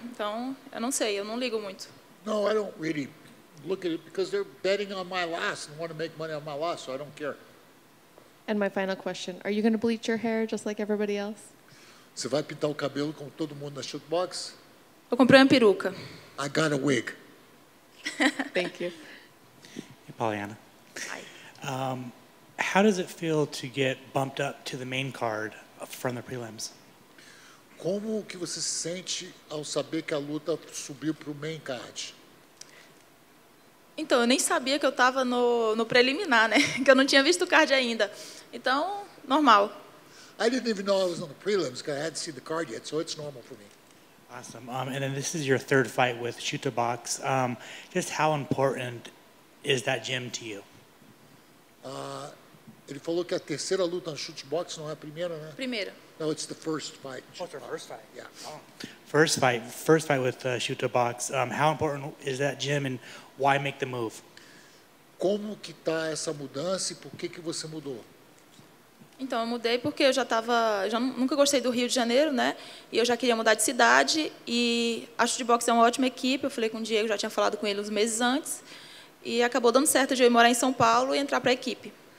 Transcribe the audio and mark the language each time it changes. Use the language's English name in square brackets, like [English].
[Portuguese] Então, eu não sei, eu não ligo muito. [English] No, I don't really look at it because they're betting on my loss and want to make money on my loss, so I don't care. And my final question, are you going to bleach your hair just like everybody else? [Portuguese] Você vai pintar o cabelo como todo mundo na Chute Boxe? Eu comprei uma peruca. [English] I got a wig. Thank you. Hey, Polyana. Hi. How does it feel to get bumped up to the main card from the prelims? [Portuguese] Como que você se sente ao saber que a luta subiu para o main card? Então, eu nem sabia que eu estava no preliminar, né? Que eu não tinha visto o card ainda. Então, normal. [English] I didn't even know I was on the prelims because I hadn't seen the card yet, so it's normal for me. Awesome. And then this is your third fight with Chute Boxe. Just how important is that gym to you? [Portuguese] Ele falou que a terceira luta no Chute Boxe não é a primeira, né? Primeira. [English] No, it's the first fight. Oh, it's your first fight. Yeah. Oh. First fight with Chute Boxe. How important is that gym and why make the move? [Portuguese] Como que tá essa mudança e por que você mudou? Então, eu mudei porque eu já estava... Já nunca gostei do Rio de Janeiro, né? E eu já queria mudar de cidade. E a Chute Boxe é uma ótima equipe. Eu falei com o Diego, já tinha falado com ele uns meses antes. E acabou dando certo de eu ir morar em São Paulo e entrar para a equipe.